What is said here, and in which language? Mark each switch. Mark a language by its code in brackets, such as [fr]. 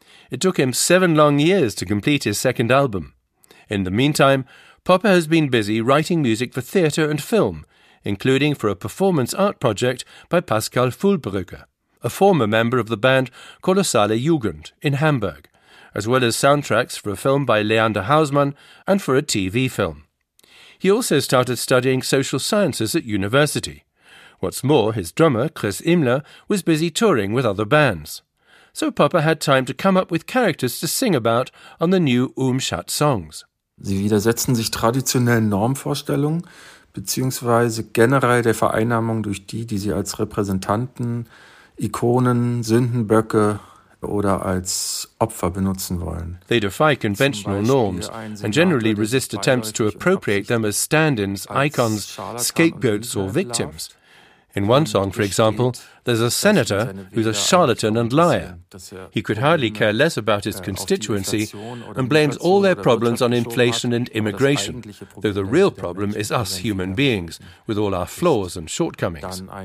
[en] It took him 7 long years to complete his second album. In the meantime, Popper has been busy writing music for theatre and film, including for a performance art project by Pascal Fulbrücker, a former member of the band Kolossale Jugend in Hamburg, as well as soundtracks for a film by Leander Hausmann and for a TV film. He also started studying social sciences at university. What's more, his drummer, Chris Immler, was busy touring with other bands. So Popper had time to come up with characters to sing about on the new Umschat songs. [de] Sie widersetzen sich traditionellen Normvorstellungen beziehungsweise generell der Vereinnahmung durch die, die sie als Repräsentanten, Ikonen, Sündenböcke oder als Opfer benutzen wollen. [en] They defy conventional norms and generally resist attempts to appropriate them as stand-ins, icons, scapegoats or victims. In one song, for example, there's a senator who's a charlatan and liar. He could hardly care less about his constituency and blames all their problems on inflation and immigration, though the real problem is us human beings, with all our flaws and shortcomings.